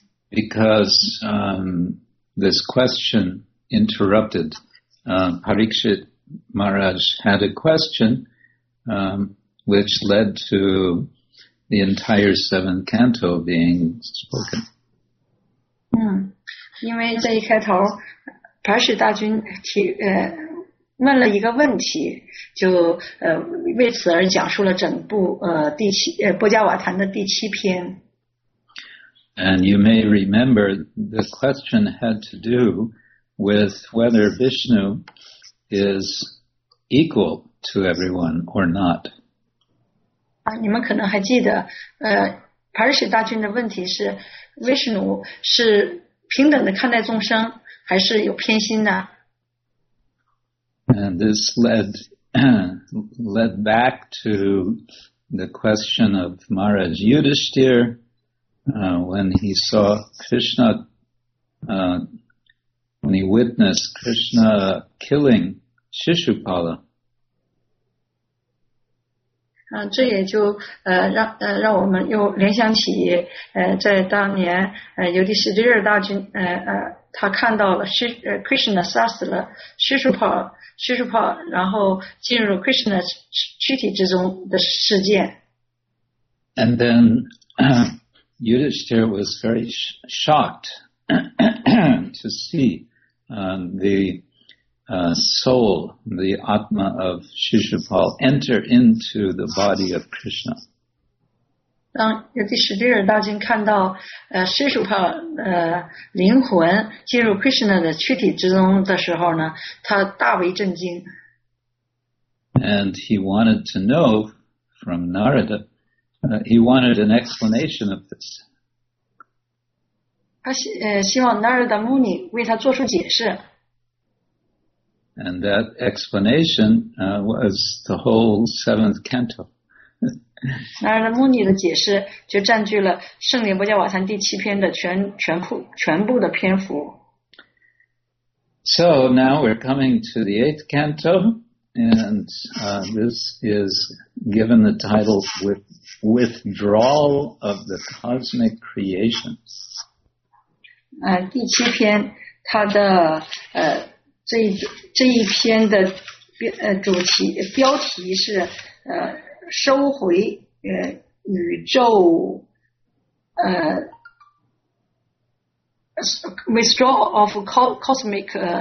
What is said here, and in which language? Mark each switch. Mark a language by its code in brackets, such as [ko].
[en] Because this question interrupted. Parikshit Maharaj had a question which led to the entire seventh canto being spoken. [zh] 因为在一开头白石大君问了一个问题，就为此而讲述了整部波迦瓦坛的第七篇。 [en] And you may remember the question had to do with whether Vishnu is equal to everyone or not. [zh] 你们可能还记得Parashit 大君的问题是 Vishnu 是平等的看待众生还是有偏心呢？ [en] And this led back to the question of Maharaj Yudhishthir when he saw Krishna when he witnessed Krishna killing Shishupala. [zh] 这也就让我们又联想起在当年尤迪士迪尔大君他看到了Krishna 杀死了Shishupa然后进入 Krishna 躯体之中的事件。 [en] And then Yudhishthira was very shocked to see soul, the Atma of Shishupal, enter into the body of Krishna. [zh] 当尤迪士迪尔大君看到Shishupal灵魂进入 Krishna 的躯体之中的时候呢，他大为震惊。 [en] And he wanted to know from Narada, he wanted an explanation of this. [zh] 他希望 Narada Muni 为他做出解释。 [en] And that explanation was the whole seventh canto. [zh] 那穆尼的解释就占据了《圣莲波迦瓦坛》第七篇的全部的篇幅。 [en] So now we're coming to the eighth canto, and this is given the title "Withdrawal of the Cosmic Creation." [zh] 第七篇它的这一篇的主题标题是收回宇宙 [en] withdraw of cosmic